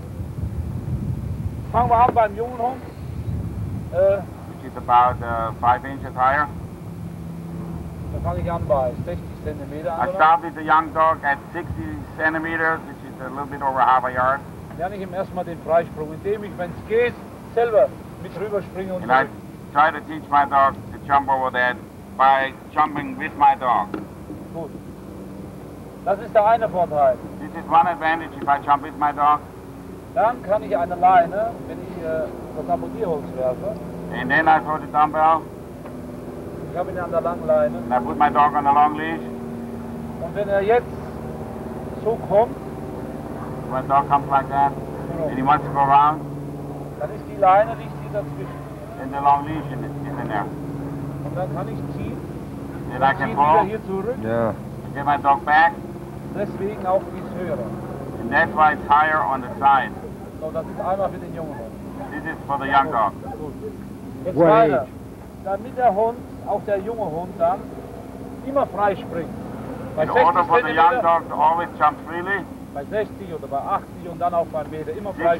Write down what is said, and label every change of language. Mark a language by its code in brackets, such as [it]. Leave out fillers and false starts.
[de] Gut. Fangen wir an beim jungen Hund. [en] Which is about 5 inches higher. [de] Da fange ich an bei 60 cm. [en] I start with the young dog at 60 cm, which is a little bit over half a yard. [de] Lerne ich ihm erstmal den Freisprung, indem ich, wenn es geht, selber mit rüber springe und [en] I try to teach my dog to jump over that by jumping with my dog. [de] Gut. Das ist der eine Vorteil. [en] This is one advantage if I jump with my dog. [de] Dann kann ich eine Leine, wenn ich das Abonnierholz werfe. [en] And then I throw the dumbbell. [de] Ich habe ihn an der langen Leine. [en] And I put my dog on a long leash. [de] Und wenn jetzt so kommt, [en] when a dog comes like that, [de] genau. [en] And he wants to go around, [de] dann ist die Leine, die ich ziehe, dazwischen. [en] And the long leash in there. [de] Und dann kann ich ziehen. [en] And I can pull. [de] Wieder hier zurück. Yeah. [en] And get my dog back. [de] Deswegen auch ist höher. [en] And that's why it's higher on the side. [de] So, das ist einmal für den jungen Hund. [en] This is for the young dog. [de] Gut. Jetzt weiter. Damit der Hund, auch der junge Hund dann, immer frei springt. Bei 60 [en] for the young dog to always jump freely. [de] Bei 60 oder bei 80 und dann auch bei 1 Meter, immer frei